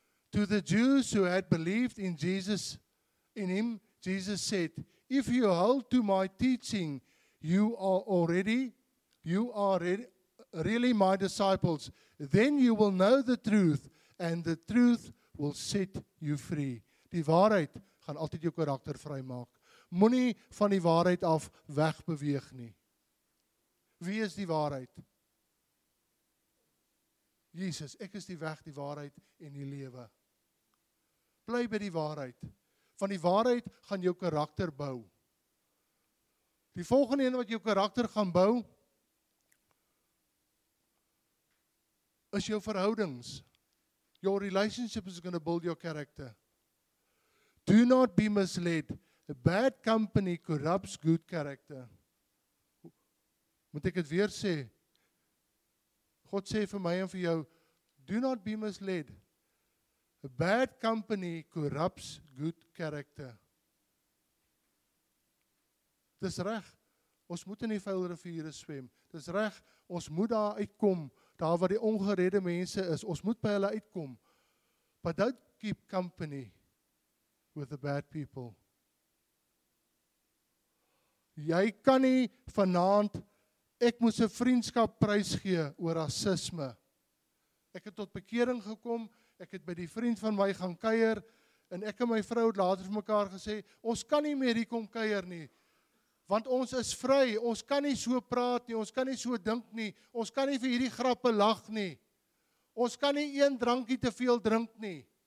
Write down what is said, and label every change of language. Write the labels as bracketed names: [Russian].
[English] To the Jews who had believed in Jesus, in him, Jesus said, if you hold to my teaching, you are really my disciples. Then you will know the truth, and the truth will set you free. [Afrikaans] Die waarheid gaan altyd jou karakter vrymaak. Moenie van die waarheid af wegbeweeg nie. Wie is die waarheid? Jesus, ek is die weg, die waarheid en die lewe. Bly by die waarheid. Van die waarheid gaan jou karakter bou. Die volgende een wat jou karakter gaan bou, is jou verhoudings. [English] Your relationship is going to build your character. Do not be misled. A bad company corrupts good character. [Afrikaans] Moet ek het weer sê? God sê vir my en vir jou, [English] do not be misled. A bad company corrupts good character. [Afrikaans] Het is reg, ons moet in die vuil riviere zwem. Het is reg, ons moet daar uitkom, daar waar die ongeredde mense is. Ons moet by hulle uitkom. [English] But don't keep company with the bad people. [Afrikaans] Jy kan nie vanaand, ek moes 'n vriendskap prys gee oor rasisme. Ek het tot bekering gekom, ek het by die vriend van my gaan kuier, en ek en my vrou het later vir mekaar gesê, ons kan nie meer hier kom kuier nie, want ons is vry, ons kan nie so praat nie, ons kan nie so dink nie, ons kan nie vir hierdie grappe lag nie, ons kan nie 1 drankie te veel drink nie.